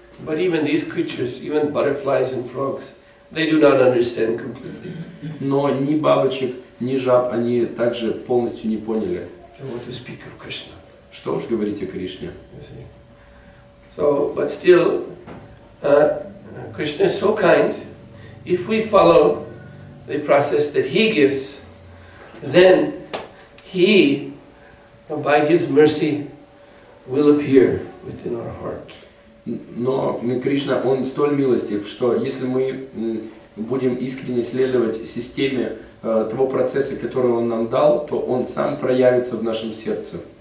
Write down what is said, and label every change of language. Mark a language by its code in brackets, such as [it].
[en] But even these creatures, even butterflies and frogs, they do not understand completely. [ru] Но ни бабочек, ни жаб они также полностью не поняли. [en] So what to speak of Krishna? [ru] Что уж говорить о Кришне? [en] So, but still, Krishna is so kind. If we follow the process that he gives, then he, by his mercy, will appear within our heart. [ru] Но Кришна, он столь милостив, что если мы будем искренне следовать системе того процесса, который Он нам дал, то Он сам проявится в нашем сердце.